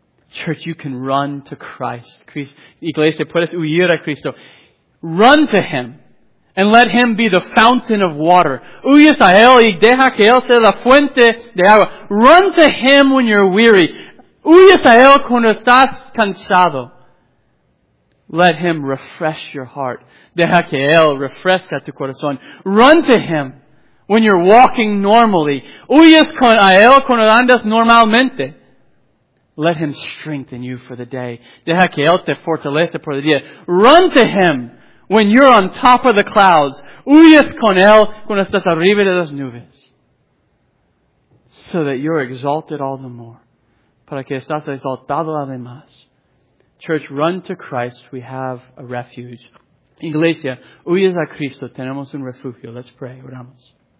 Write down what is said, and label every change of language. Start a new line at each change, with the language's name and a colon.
English: Church, you can run to Christ.
Spanish: Iglesia, puedes huir a Cristo.
English: Run to Him. And let Him be the fountain of water.
Spanish: Huyes a Él y deja que Él sea la fuente de agua.
English: Run to Him when you're weary.
Spanish: Huyes a Él cuando estás cansado.
English: Let Him refresh your heart.
Spanish: Deja que Él refresca tu corazón.
English: Run to Him when you're walking normally.
Spanish: Huyes a Él cuando andas normalmente.
English: Let Him strengthen you for the day.
Spanish: Deja que Él te fortalece por el día.
English: Run to Him when you're on top of the clouds.
Spanish: Huyes con Él cuando estás arriba de las nubes.
English: So that you're exalted all the more.
Spanish: Para que estás exaltado además.
English: Church, run to Christ. We have a refuge.
Spanish: Iglesia, huyes a Cristo. Tenemos un refugio.
English: Let's pray.
Spanish: Oramos.